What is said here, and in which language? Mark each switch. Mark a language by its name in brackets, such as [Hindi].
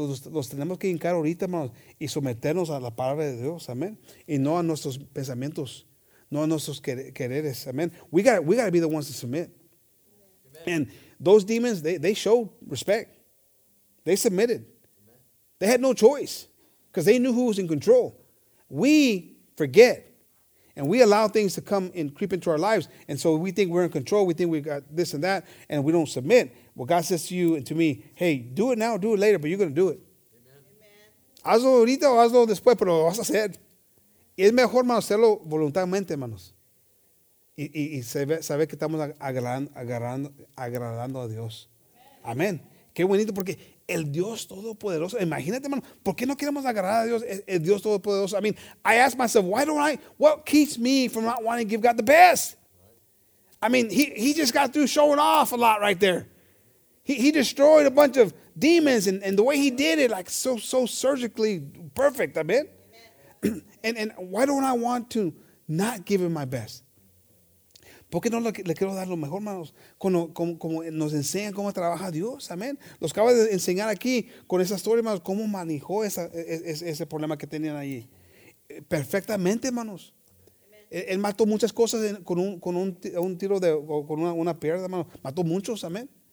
[Spanish] Los tenemos que hincar ahorita, hermanos, y someternos a la palabra de Dios, amén, y no a nuestros pensamientos, no a nuestros quereres, amén. [English] We got to be the ones to submit. Amen. And those demons, they showed respect. They submitted. Amen. They had no choice because they knew who was in control. We forget, and we allow things to come and creep into our lives, and so we think we're in control. We think we got this and that, and we don't submit. Well, God says to you and to me, hey, do it now, do it later, but you're going to do it. Amen. [Spanish] Hazlo ahorita o hazlo después, pero lo vas a hacer. Es mejor, hermanos, hacerlo voluntariamente, hermanos. Y saber que estamos agradando a Dios. Amén. Qué bonito, porque el Dios Todopoderoso, imagínate, hermano, ¿por qué no queremos agradar a Dios, el Dios Todopoderoso? [English] I mean, I ask myself, what keeps me from not wanting to give God the best? I mean, he just got through showing off a lot right there. He destroyed a bunch of demons, and the way he did it, like so surgically perfect, I mean. And why don't I want to not give him my best? [Spanish] ¿Por qué no le quiero dar lo mejor, hermanos? Como nos enseñan cómo trabaja Dios, amén. Los acabo de enseñar aquí con esa historia, hermanos, cómo manejó ese problema que tenían allí. Perfectamente, hermanos. Él mató muchas cosas con un tiro de con una piedra, hermanos. Mató muchos, amén.